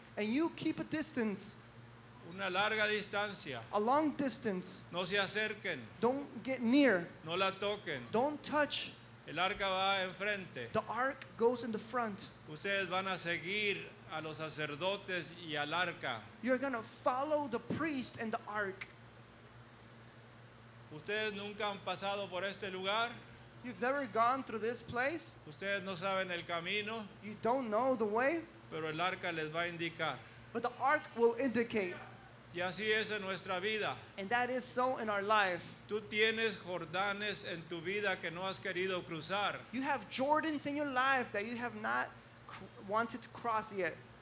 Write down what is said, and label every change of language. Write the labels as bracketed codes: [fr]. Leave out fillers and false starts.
[en] And you keep a distance. [es] Una larga distancia. [en] A long distance. [es] No se acerquen. [en] Don't get near. [es] No la toquen. [en] Don't touch. [es] El arca va enfrente. [en] The ark goes in the front. [es] Ustedes van a seguir a los sacerdotes y al arca. [en] You're going to follow the priest and the ark. [es] Ustedes nunca han pasado por este lugar. [en] You've never gone through this place. [es] Ustedes no saben el camino. [en] You don't know the way. [es] Pero el arca les va a indicar. [en] But the ark will indicate. [es] Y así es en nuestra vida. [en] And that is so in our life. [es] Tú tienes Jordanes en tu vida que no has querido cruzar. [en] You have Jordans in your life that you have not wanted to cross yet.